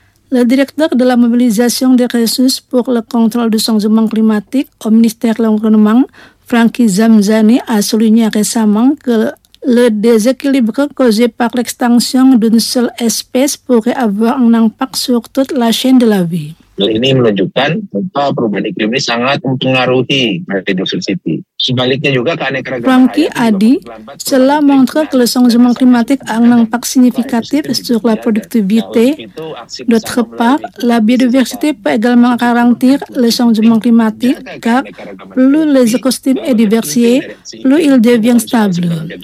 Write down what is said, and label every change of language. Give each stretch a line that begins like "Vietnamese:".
French: Le directeur de la mobilisation des ressources pour le contrôle du changement climatique au ministère de l'Environnement, Franky Zamzani, a souligné récemment que le déséquilibre causé par l'extinction d'une seule espèce pourrait avoir un impact sur toute la chaîne de la vie.
Indonesian: Ini menunjukkan bahwa perubahan iklim ini sangat mempengaruhi biodiversity. Sebaliknya juga keanekaragaman.
French: Franky Adi, cela montre que le changement climatique a un impact significatif sur la productivité. D'autre part, la biodiversité peut également garantir le changement climatique car plus les écosystèmes sont diversifiés, plus ils deviennent stables.